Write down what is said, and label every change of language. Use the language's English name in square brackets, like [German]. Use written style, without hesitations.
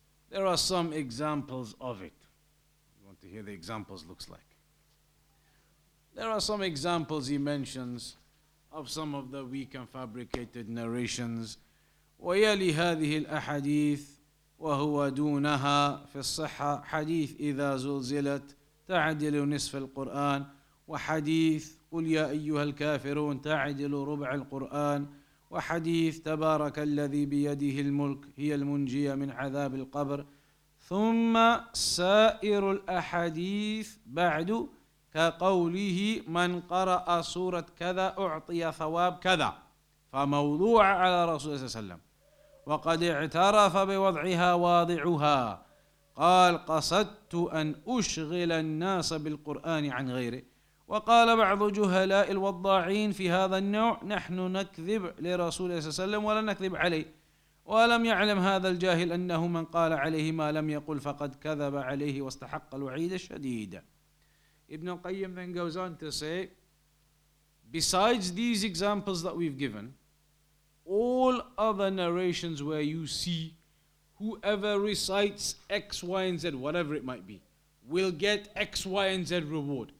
[English] There are some examples of it. You want to hear the examples looks like. There are some examples he mentions of some of the weak and fabricated narrations. [Arabic] وَيَلِي هَذِهِ الْأَحَدِيثِ وهو دونها في الصحة حديث إذا زلزلت تعدل نصف القرآن وحديث قل يا أيها الكافرون تعدل ربع القرآن وحديث تبارك الذي بيده الملك هي المنجية من عذاب القبر ثم سائر الأحاديث بعد كقوله من قرأ سورة كذا أعطي ثواب كذا فموضوع على رسول الله صلى الله عليه وسلم وقد اعترف بوضعها واضعها قال قصدت أن أشغل الناس بالقرآن عن غيره وقال بعض جهلاء الوضاعين في هذا النوع نحن نكذب لرسول الله صلى الله عليه وسلم ولا نكذب عليه ولم يعلم هذا الجاهل أنه من قال عليه ما لم يقل فقد كذب عليه واستحق الوعيد الشديد. [English] Ibn Qayyim then goes on to say, besides these examples that we've given, all other narrations where you see whoever recites X, Y, and Z, whatever it might be, will get X, Y, and Z reward.